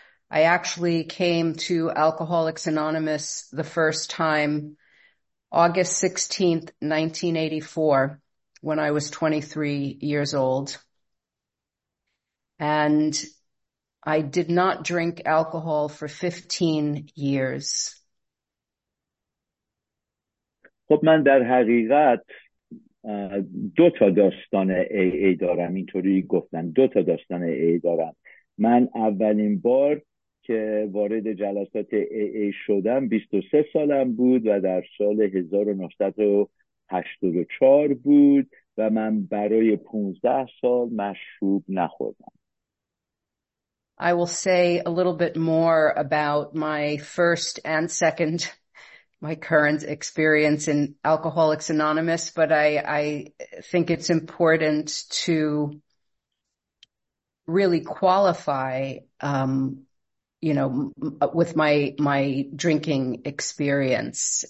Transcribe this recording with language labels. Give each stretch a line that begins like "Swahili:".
English: I actually came to Alcoholics Anonymous the first time August 16th, 1984, when I was 23 years old. And I did not drink alcohol for 15 years.
Persian: خب من در حقیقت دو تا داستان AA دارم. اینطوری گفتن دو تا داستان AA دارم. من اولین بار که وارد جلسات AA شدم 23 سالم بود و در سال 1984 بود و من برای 15 سال مشروب نخوردم.
English: I will say a little bit more about my first and second, my current experience in Alcoholics Anonymous, but I think it's important to really qualify, you know, with my drinking experience.